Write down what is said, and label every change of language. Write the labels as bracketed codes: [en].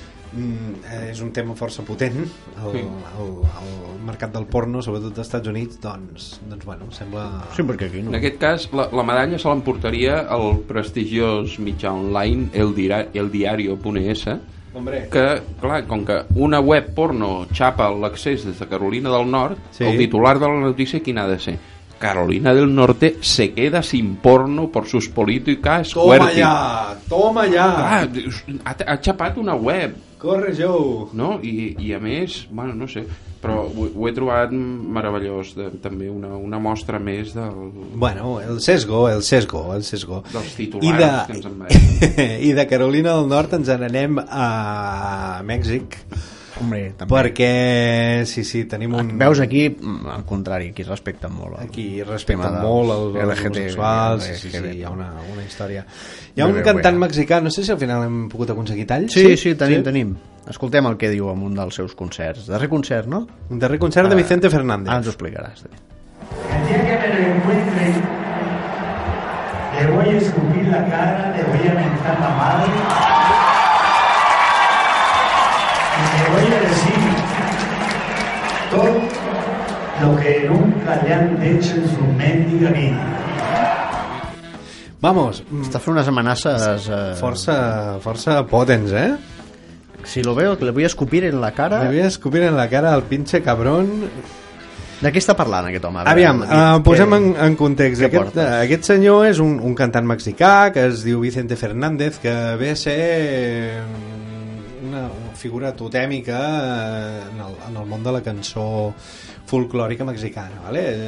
[ca] és un tema força potent el mercat del porno, sobretot dels Estats Units, doncs bueno, sembla... Sí, perquè aquí no. En aquest cas, la medalla se l'emportaria el prestigiós mitjà online eldiario.es, que, clar, com que una web porno xapa l'accés des de Carolina del Nord, sí. El titular de la notícia quin ha de ser? [es] Carolina del Norte se queda sin porno por sus políticas. Toma ya. [ca] Ha xapat una web. Corre, Joe. No? I a més, bueno, no sé, però ho he trobat meravellós, també una mostra més del... [es] Bueno, el sesgo. [ca] Dels titulars que ens en veiem. I de Carolina del Nord ens n'anem a Mèxic. Hombre, també. Perquè, sí, tenim un... Veus, aquí, al contrari, aquí respecten molt. Aquí respecten molt els homosexuals, sí, hi ha una història. Hi ha un cantant mexicà, no sé si al final hem pogut aconseguir tall. Sí, tenim. Escoltem el que diu en un dels seus concerts. Darrer concert, no? Darrer concert de Vicente Fernández. Ah, ens ho explicaràs. [es] El dia que me reencuentre, le voy a escupir la cara, le voy a mentar la madre... Le voy a decir todo lo que nunca le han hecho en su mendiga vida. Vamos, [ca] está fent unes amenaces força potents, eh? [es] Si lo veo, le voy a escupir en la cara. Le voy a escupir en la cara al pinche cabrón. [ca] De què està parlant aquest home? Aviam, posem en context. Aquest senyor és un cantant mexicà que es diu Vicente Fernández, que ve a ser una figura totèmica en el món de la cançó folklòrica mexicana, vale?